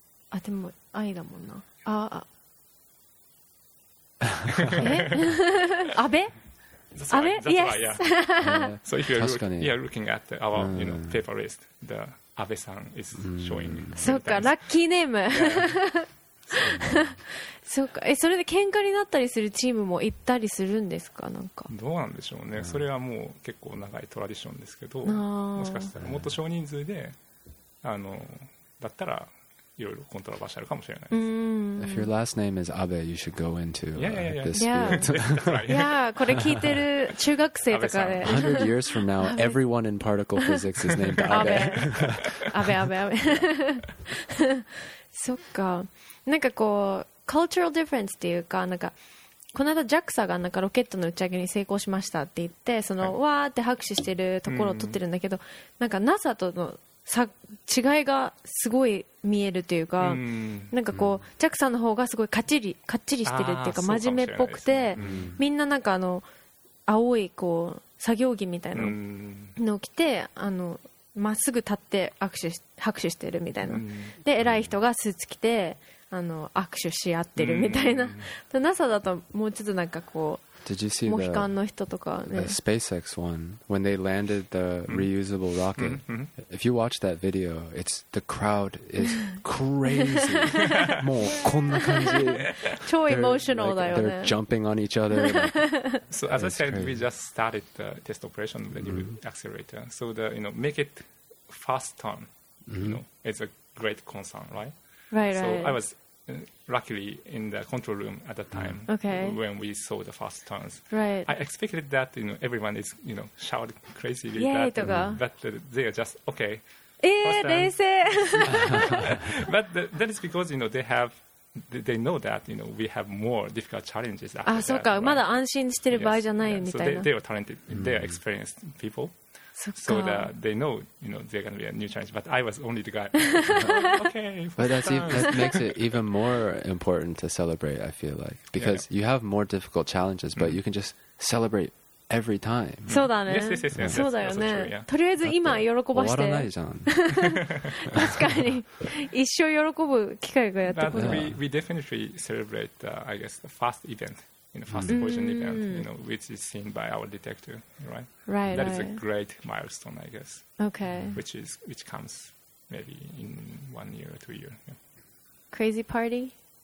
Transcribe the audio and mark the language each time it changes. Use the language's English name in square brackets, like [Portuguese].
[English] But Aida, right? Abe? Abe? Yes! So if you're looking at our you know, paper list, the Abe-san is showing. So, lucky name! [Japanese] そうか、え、それで喧嘩になったりするチームも行ったりするんですか、なんか。どうなんでしょうね、それはもう結構長いトラディションですけど、もしかしたらもっと少人数で、あの、だったらいろいろコントラバーシャルかもしれないです [English] If your last name is Abe, you should go into this field. [Japanese] Yeah, これ聞いてる中学生とかで。 [English] 100 years from now, everyone in particle physics is named Abe. [Japanese] Abe, Abe, Abe. そっか。なんかこう、 cultural difference っていうか、なんか、この間 JAXA がなんかロケットの打ち上げに成功しましたって言って、その、はい、わーって拍手してるところを撮ってるんだけど、なんか NASA との違いがすごい見えるというか、なんかこう、JAXA の方がすごいかっちりしてるっていうか、真面目っぽくて、ね、みんななんかあの、青いこう、作業着みたいなのを着て、あの、まっすぐ立って拍手してるみたいな。で、偉い人がスーツ着て、あの、握手し合ってるみたいな。で、NASA だともうちょっとなんかこう、 [English] Did you see [Japanese] モヒカンの人とかね。 [English] The SpaceX one, when they landed the reusable rocket, if you watch that video, the crowd is crazy. [Japanese] もうこんな感じ。超エモーショナルだよね。 [English] They're jumping on each other. So as I said, we just started the test operation of the new accelerator. So the, you know, make it fast turn, you know, it's a great concern, right? Right, right. So I was... luckily in the control room at the time when we saw the first turns. Right. I expected that, you know, everyone is, you know, shouting crazy like that. But they are just okay. But that is because, you know, they know that, you know, we have more difficult challenges after that. Right? [Japanese] まだ安心してる場合じゃないみたいな。 [English] So they are talented, they are experienced people. so that they know, you know, they're going to be a new challenge. But I was only the guy. But that's even, that makes it even more important to celebrate, I feel like. Because you have more difficult challenges, but you can just celebrate every time. [Japanese] そうだね。そうだよね。とりあえず今喜ばして。終わらないじゃん。確かに。一生喜ぶ機会がやってくる。 [English] We definitely celebrate, I guess, the first event, you know, first version event, you know, which is seen by our detector, right? Right. That is a great milestone, I guess. Okay. Which is, which comes maybe in 1 year or 2 year. Yeah. Crazy party?